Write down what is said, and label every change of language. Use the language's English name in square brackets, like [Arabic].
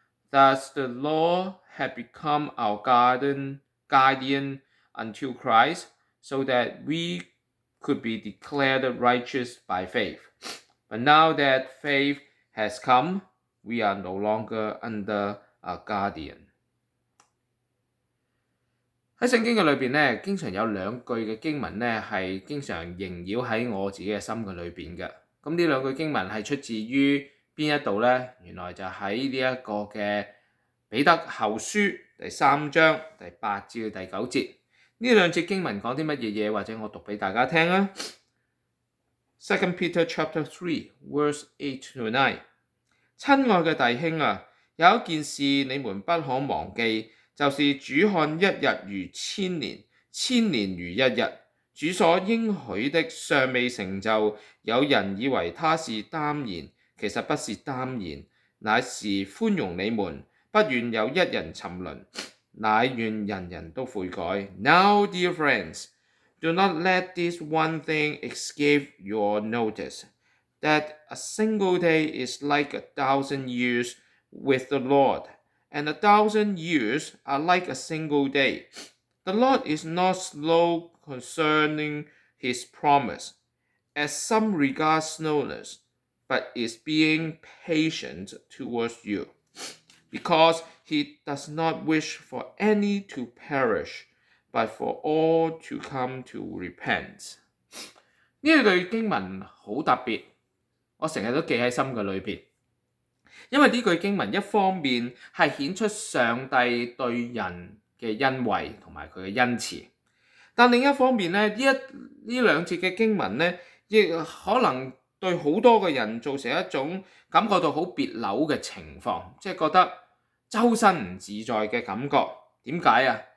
[English] Thus, the law had become our guardian until Christ, so that we could be declared righteous by faith. But now that faith has come, we are no longer under a guardian. [Chinese] 在圣经的里面呢，经常有两句的经文呢，是经常萦绕在我自己的心里面的。那这两句经文是出自于哪一度呢？原来就在这个的彼得后书第三章第八至第九节。这两节经文讲些什么东西，或者我读给大家听啊。 [English] 2 Peter chapter 3, verse 8-9 [Chinese] 亲爱的弟兄啊，有一件事你们不可忘记，就是主看一日如千年，千年如一日。主所应许的尚未成就，有人以为他是淡然，其实不是淡然，乃是宽容你们，不愿有一人沉沦，乃愿人人都悔改。 [English] Now, dear friends,Do not let this one thing escape your notice, that a single day is like a thousand years with the Lord, and a thousand years are like a single day. The Lord is not slow concerning his promise, as some regard slowness, but is being patient towards you, because he does not wish for any to perish. But for all to come to repent. [Chinese] 这句经文很特别，我经常都记在心里面。因为这句经文一方面是显出上帝对人的恩惠和他的恩慈，但另一方面呢， 这两节的经文呢，也可能对很多的人造成一种感觉到很别扭的情况，就是觉得周身不自在的感觉。为什么？